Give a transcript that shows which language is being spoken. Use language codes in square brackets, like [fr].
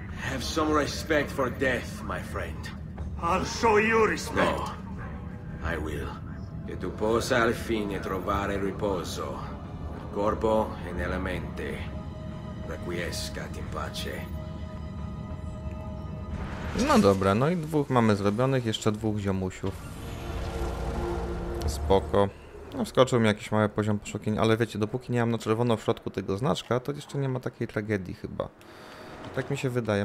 [en] Have some respect for death, my friend. I'll show you respect. No, I will. [it] Che tu possa al fine trovare riposo nel corpo e nella mente. [la] Requiescat in pace. [pl] No dobra, no i dwóch mamy zrobionych, jeszcze dwóch ziomusiów. Spoko. No wskoczył mi jakiś mały poziom poszukiwań, ale wiecie, dopóki nie mam na czerwono w środku tego znaczka, to jeszcze nie ma takiej tragedii chyba. Tak mi się wydaje.